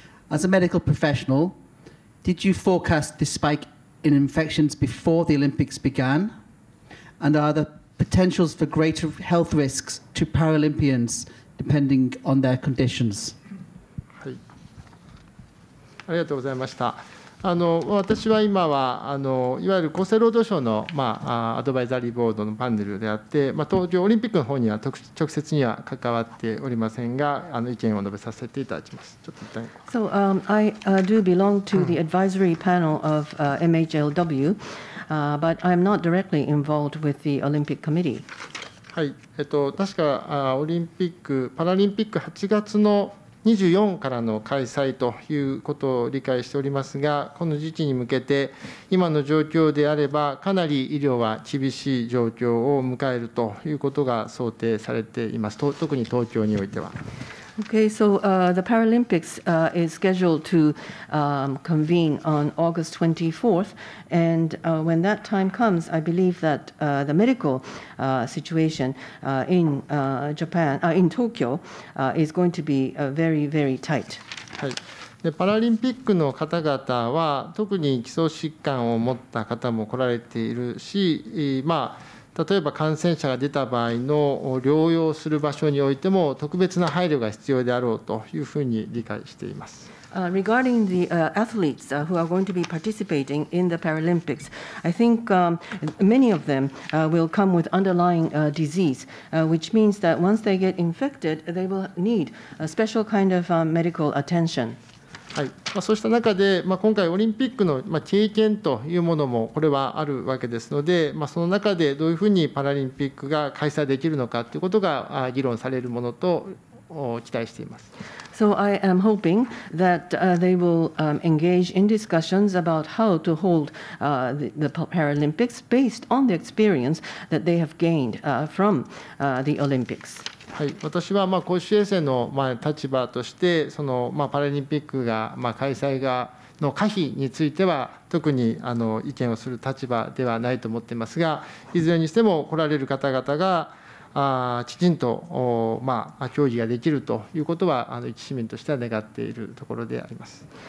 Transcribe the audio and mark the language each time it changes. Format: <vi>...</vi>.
<en>As a medical professional,Did you forecast this spike in infections before the Olympics began? And are the potentials for greater health risks to Paralympians depending on their conditions?</en> <ja>はい。ありがとうございました。私は今はいわゆる厚生労働省の、アドバイザリーボードのパネルであって、東京オリンピックの方には直接には関わっておりませんが意見を述べさせていただきます。ちょっと一旦。</ja> <en>So, I do belong to the advisory panel of MHLW, but I'm not directly involved with the Olympic Committee.</en> <ja>はい、確かオリンピック、パラリンピック8月の24からの開催ということを理解しておりますが、この時期に向けて、今の状況であれば、かなり医療は厳しい状況を迎えるということが想定されています、特に東京においては。</ja> <en>Okay, so the Paralympics is scheduled to convene on August 24th, and when that time comes, I believe that the medical situation in Japan, in Tokyo, is going to be very, very tight.</en> <ja>はい。でパラリンピックの方々は特に基礎疾患を持った方も来られているし、まあ、例えば感染者が出た場合の療養する場所においても特別な配慮が必要であろうというふうに理解しています。</ja> <en>Regarding the athletes who are going to be participating in the Paralympics, I think many of them will come with underlying disease, which means that once they get infected, they will need a special kind of medical attention.</en> <ja>はい、まあ、そうした中で、まあ、今回オリンピックの経験というものもこれはあるわけですので、まあ、その中でどういうふうにパラリンピックが開催できるのかということが議論されるものと期待しています。</ja> <en>So I am hoping that they will engage in discussions about how to hold the Paralympics based on the experience that they have gained from the Olympics.</en> <ja>はい、私はまあ公衆衛生のまあ立場としてそのまあパラリンピックがまあ開催がの可否については特にあの意見をする立場ではないと思っていますが、いずれにしても来られる方々がきちんとまあ競技ができるということはあの市民としては願っているところであります。</ja>